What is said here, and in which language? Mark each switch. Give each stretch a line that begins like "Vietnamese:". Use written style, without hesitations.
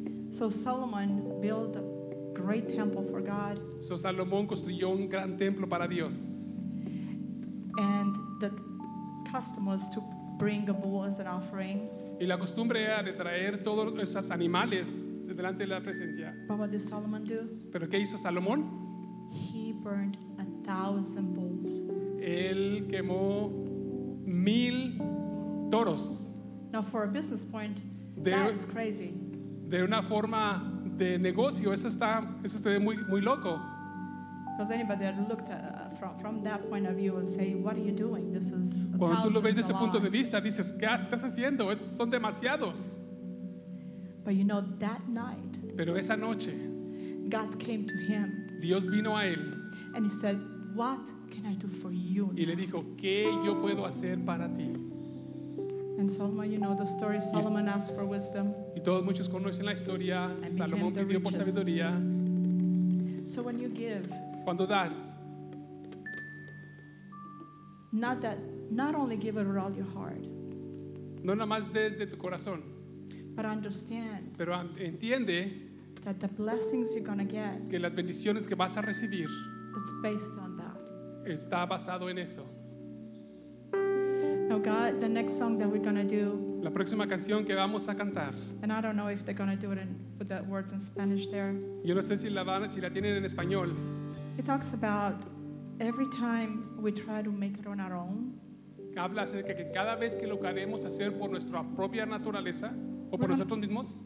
English: So Solomon built a great temple for God.
Spanish: So Salomón construyó un gran templo para Dios.
English: And the custom was to bring a bull as an offering.
Spanish: Y la costumbre era de traer todos esos animales delante de la presencia.
English: But what did Solomon do?
Spanish: Pero ¿qué hizo Salomón?
English: He burned 1,000 bulls.
Spanish: Él quemó 1,000 toros.
English: Now for a business point, that's crazy.
Spanish: De una forma de negocio, eso está muy muy loco.
English: Because anybody that looked at, from that point of view would say, what are you doing? This is
Spanish: cuando tú lo ves desde ese punto de vista, dices, ¿qué estás haciendo? Esos son demasiados.
English: But you know that night.
Spanish: Pero esa noche,
English: God came to him.
Spanish: Dios vino a él.
English: And he said, what can I do for you?
Spanish: Y le dijo, ¿qué yo puedo hacer para ti?
English: And Solomon, you know the story. Solomon asked for wisdom.
Spanish: Y todos muchos conocen la historia. Salomón pidió por sabiduría.
English: So when you give,
Spanish: cuando das,
English: not only give it with all your heart.
Spanish: No nada más desde tu corazón.
English: But understand.
Spanish: Pero entiende
English: that the blessings you're going to get.
Spanish: Que las bendiciones que vas a recibir.
English: It's based on that.
Spanish: Está basado en eso.
English: Now God, the next song that we're going to do.
Spanish: La próxima canción que vamos a cantar.
English: And I don't know if they're going to do it and put the words in Spanish there.
Spanish: Yo no sé si la tienen en español.
English: It talks about every time we try to make it on our own.
Spanish: Habla acerca que cada vez que lo queremos hacer por nuestra propia naturaleza o por nosotros mismos,